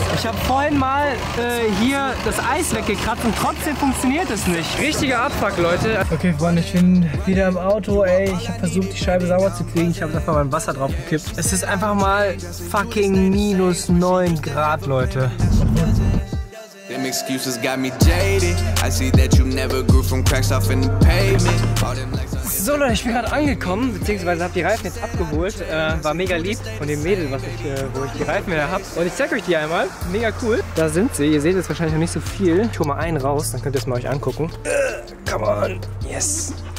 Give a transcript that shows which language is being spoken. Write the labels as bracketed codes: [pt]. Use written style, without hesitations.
[de] Ich habe vorhin mal hier das Eis weggekratzt und trotzdem funktioniert es nicht. Richtiger Abfuck, Leute. Okay, Freunde, ich bin wieder im Auto. Ey, ich habe versucht, die Scheibe sauber zu kriegen. Ich habe einfach mein Wasser drauf gekippt. Es ist einfach mal fucking minus 9 Grad, Leute. [en] Them excuses got me jaded. I see that you never grew from cracks off in the pavement. [de] So Leute, ich bin gerade angekommen, beziehungsweise habe die Reifen jetzt abgeholt. War mega lieb von dem Mädel, wo ich die Reifen wieder habe. Und ich zeige euch die einmal. Mega cool. Da sind sie. Ihr seht jetzt wahrscheinlich noch nicht so viel. Ich hole mal einen raus, dann könnt ihr es mal euch angucken. [en] Come on. Yes.